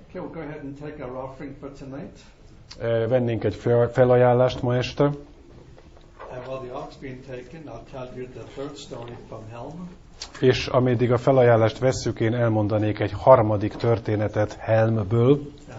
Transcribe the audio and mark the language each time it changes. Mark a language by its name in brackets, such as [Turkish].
[English] Okay, we'll go ahead and take our offering for tonight. [Hungarian] Vennénk egy felajánlást ma este. [English] And while the ark's being taken, I'll tell you the third story from Helm. [Hungarian] És ameddig a felajánlást vesszük, én elmondanék egy harmadik történetet Helmből.